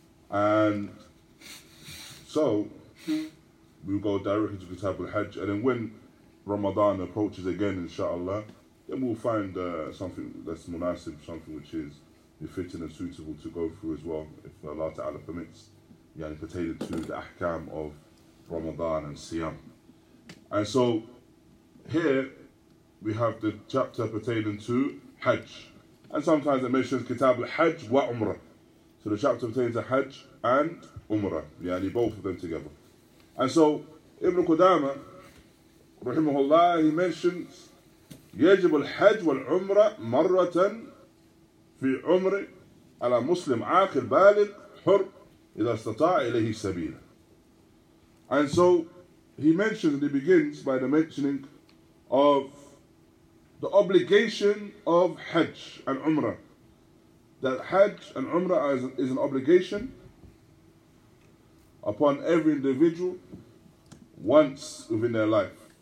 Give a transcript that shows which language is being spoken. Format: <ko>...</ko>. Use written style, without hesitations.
<en>And so we'll go directly to Kitab al-Hajj, and then when Ramadan approaches again, inshallah, then we'll find something that's munasib, something which is befitting and suitable to go through as well, if Allah Ta'ala permits, yani pertaining to the ahkam of Ramadan and Siyam. And so, here, we have the chapter pertaining to Hajj. And sometimes it mentions Kitab al-Hajj wa Umrah. So the chapter pertains to Hajj and Umrah, yani both of them together. And so, Ibn Qudama, rahimahullah, he mentions,</en> <ar>يجب الحج والعمرة مرة في عمر على مسلم عاقل بالغ حر إذا استطاع إليه سبيلا.</ar> <en>And so, he mentions, and he begins by the mentioning of the obligation of Hajj and Umrah. That Hajj and Umrah is an obligation upon every individual once within their life.</en>